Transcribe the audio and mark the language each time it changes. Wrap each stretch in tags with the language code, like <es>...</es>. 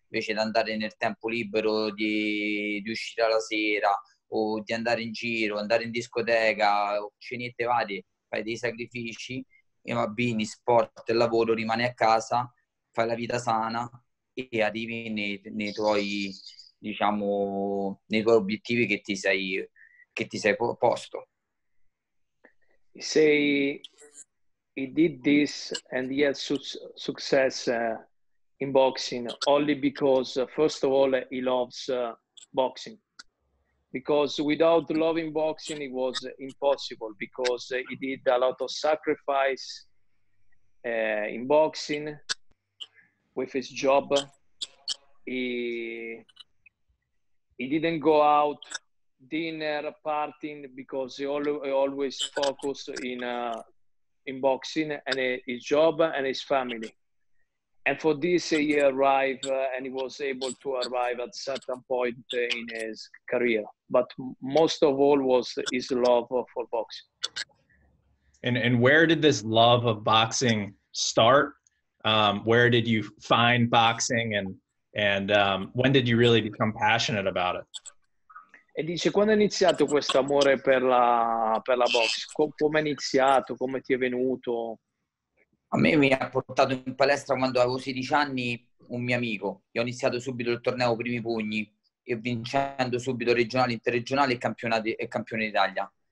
<it>invece di andare nel tempo libero di uscire alla sera o di andare in giro, andare in discoteca o cenette varie, fai dei sacrifici, i bambini, sport, lavoro, rimani a casa, fai la vita sana e arrivi nei tuoi, diciamo, nei tuoi obiettivi che ti sei posto.</it> <en>Say he did this and he had success in boxing only because first of all he loves boxing, because without loving boxing it was impossible, because he did a lot of sacrifice in boxing with his job. He didn't go out dinner, partying, because he always focused in boxing and his job and his family. And for this he arrived and he was able to arrive at certain point in his career. But most of all was his love for boxing. And where did this love of boxing start? Where did you find boxing and when did you really become passionate about it?</en> <it>E dice, quando è iniziato questo amore per la box? Come è iniziato? Come ti è venuto? A me mi ha portato in palestra quando avevo 16 anni un mio amico. Io ho iniziato subito il torneo Primi Pugni e vincendo subito regionali, interregionali e campione d'Italia.</it>